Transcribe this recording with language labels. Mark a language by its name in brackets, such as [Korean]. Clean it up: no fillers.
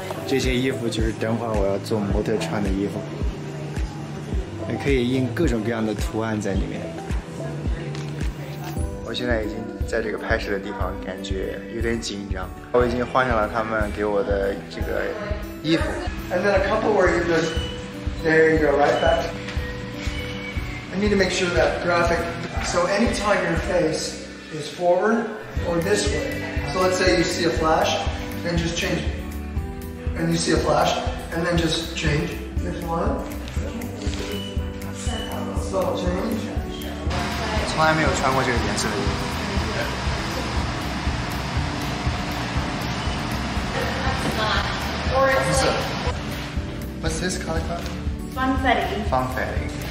[Chinese] 这些衣服就是等会我要做模特穿的衣服，还可以印各种各样的图案在里面。我现在已经在这个拍摄的地方，感觉有点紧张。我已经换上了他们给我的这个衣服。 [English] And then a couple where you just, there you go, right back. I need to make sure that graphic, so anytime your face is forward or this way, so let's say you see a flash, then just change it. And you see a flash, and then just change. This one. So change. [Chinese] 从来没有穿过这个颜色的衣服。 [English] What's this color called? Funfetti. Funfetti.